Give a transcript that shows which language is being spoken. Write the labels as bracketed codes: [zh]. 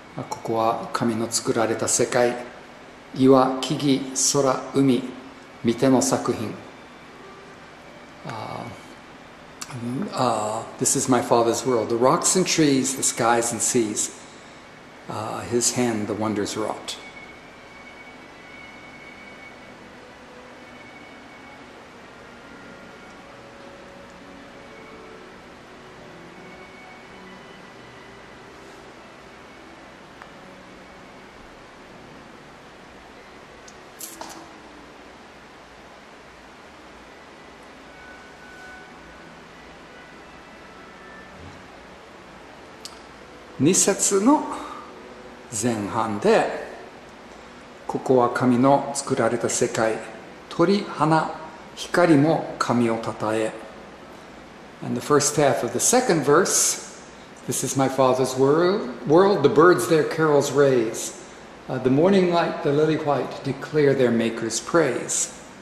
[ja] ここは神の作られた世界、岩、木々、空、海、見ての作品。 [en] This is my father's world, the rocks and trees, the skies and seas, his hand the wonders wrought. [ja] 2節の前半で、ここは神の作られた世界、鳥、花、光も神をたたえ。 [en] And the first half of the second verse, This is my father's world, the birds their carols raise, the morning light, the lily white, declare their maker's praise.